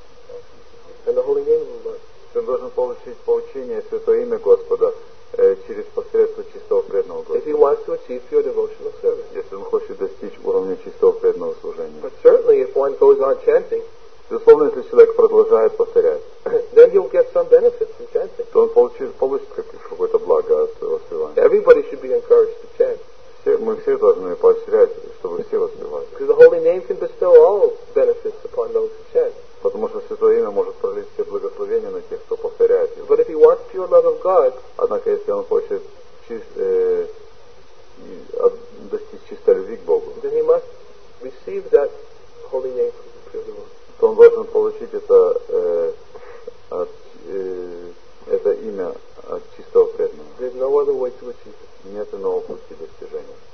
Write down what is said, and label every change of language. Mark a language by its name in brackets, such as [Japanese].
[English] through the medium of the pure devotee and the holy name of the Lord. [Russian] Он должен получить получение святое имя Господа через посредство чистого преданного служения. [English] If he wants to achieve pure devotional service. [Russian] Если он хочет достичь уровня чистого преданного служения. [English] But certainly, if one goes on chanting, [Russian] безусловно, если человек продолжает повторять, [English] then he'll get some benefits from chanting. [Russian] То он получит какое-то благо от воспевания. [English] Everybody should be encouraged to chant. [Russian] Мы все должны поощрять, чтобы все воспевали. [English] Because the holy name can bestow all benefits upon those who chant. [Russian] Потому что святое имя может пролить все благословения на тех, кто повторяет его. [English] But if he wants pure love of God, [Russian] однако если он хочет достичь чистой любви к Богу, [English] then he must receive that holy name from the pure devotee. [Russian] То он должен получить это имя от чистого преданного. [English] There's no other way to achieve it. [Russian] Нет иного пути достижения.